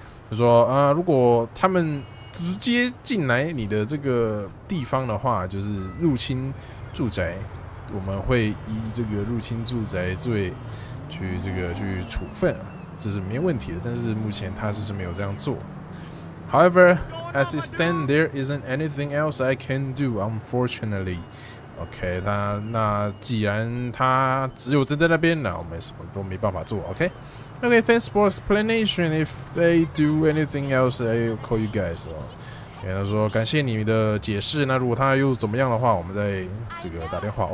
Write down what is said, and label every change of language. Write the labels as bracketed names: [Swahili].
[Chinese] 他说如果他们直接进来你的这个地方的话，就是入侵住宅，我们会以这个入侵住宅罪去这个去处分，这是没问题的。但是目前他就是没有这样做。 [English] However, as it stands, there isn't anything else I can do, unfortunately. [Chinese] OK， 那既然他只有站在那边，那我们什么都没办法做。 [English] OK。 Okay, thanks for explanation. If they do anything else, I'll call you guys. [Chinese] 他说感谢你的解释。那如果他又怎么样的话，我们再这个打电话。